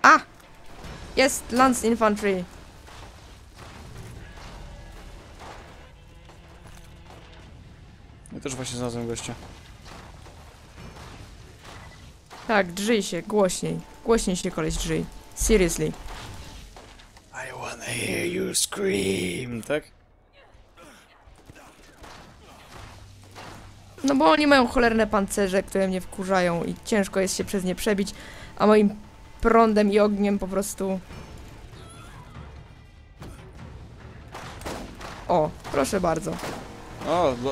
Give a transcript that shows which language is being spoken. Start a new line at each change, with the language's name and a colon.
Polish: A! Jest Lance Infantry. Ja też właśnie znalazłem gościa. Tak, drzyj się, głośniej. Głośniej się, koleś, drzyj.
English: Seriously. I wanna hear you scream, tak?
Polish: No bo oni mają cholerne pancerze, które mnie wkurzają i ciężko jest się przez nie przebić, a moim prądem i ogniem po prostu... O, proszę bardzo. O,